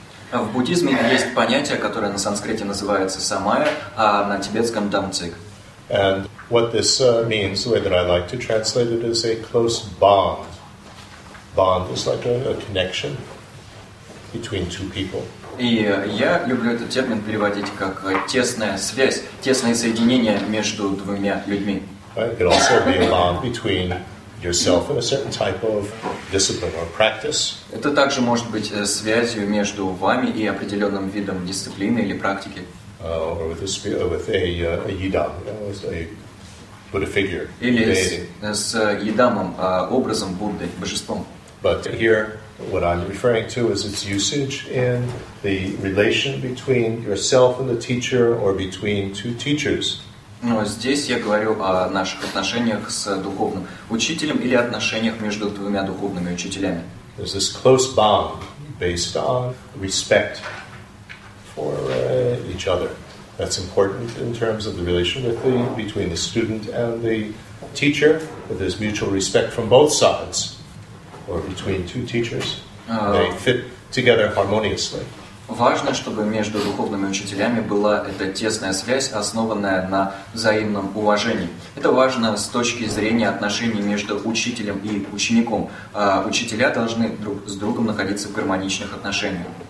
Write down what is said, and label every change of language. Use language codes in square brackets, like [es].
[ru] В буддизме есть понятие, которое на санскрите называется самая, а на тибетском тамцик. [en] And what this means, the way that I like to translate it, is a close bond. Bond is like a connection between two people. [ru] И я люблю этот термин переводить как тесная связь, тесное соединение между двумя людьми. [en] It could also be a bond between yourself and a certain type of discipline or practice. [ru] Это также может быть связью между вами и определенным видом дисциплины или практики. [en] Or with a spirit, with a yidam, you know, with a Buddha figure. [ru] Или с yidamом, образом Будды, божеством. [en] But here, what I'm referring to is its usage in the relation between yourself and the teacher, or between two teachers. [ru] Но здесь я говорю о наших отношениях с духовным учителем или отношениях между двумя духовными учителями. [en] There's this close bond based on respect for each other. That's important in terms of the relation between the student and the teacher, that there's mutual respect from both sides, or between two teachers. They fit together harmoniously. [ru] Важно, чтобы между духовными учителями была эта тесная связь, основанная на взаимном уважении. Это важно с точки зрения отношений между учителем и учеником. Учителя должны друг с другом находиться в гармоничных отношениях.